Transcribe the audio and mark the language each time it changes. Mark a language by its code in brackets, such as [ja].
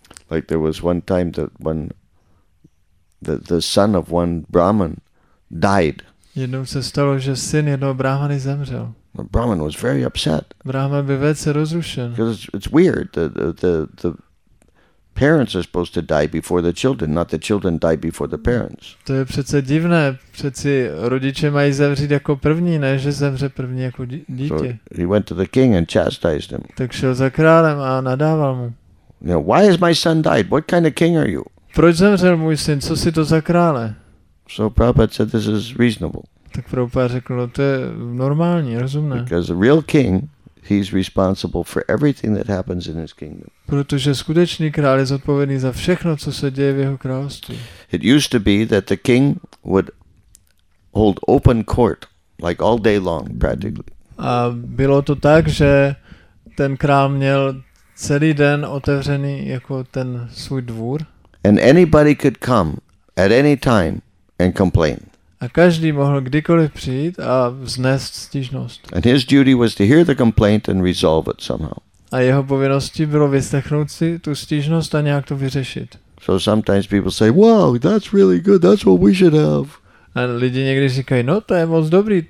[en] Like there was one time that when the son of one Brahman died. [cs] Jednou se stalo, že syn jednoho Brahmany zemřel. [en] The Brahman was very upset. [cs] Brahman byl velice rozrušen. [en] Because it's weird that the parents are supposed to die before the children, not the children die before the parents. [cs] To je přece divné, přeci rodiče mají zemřít jako první, ne že zemře první jako dítě. [en] So he went to the king and chastised him. [cs] Tak šel za králem a nadával mu. [en] Now, why has my son died? What kind of king are you? [cs] Proč zemřel můj syn? Co si to za krále? [en] So Prabhupada said this is reasonable. [cs] Tak Prabhupada řekl, no, to je normální, rozumné. [en] Because a real king, he's responsible for everything that happens in his kingdom. [cs] Protože skutečný král je zodpovědný za všechno, co se děje v jeho království. [en] It used to be that the king would hold open court like all day long practically. [cs] A bylo to tak, že ten král měl celý den otevřený jako ten svůj dvůr. [en] And anybody could come at any time and complain. [cs] A každý mohl kdykoliv přijít a vznést stížnost. [en] And his duty was to hear the complaint and resolve it somehow. [cs] A jeho povinností bylo vyslechnout si tu stížnost a nějak to vyřešit. [en] So sometimes people say, "Wow, that's really good. That's what we should have." [cs] A lidi někdy říkají, "No, to je moc dobrý.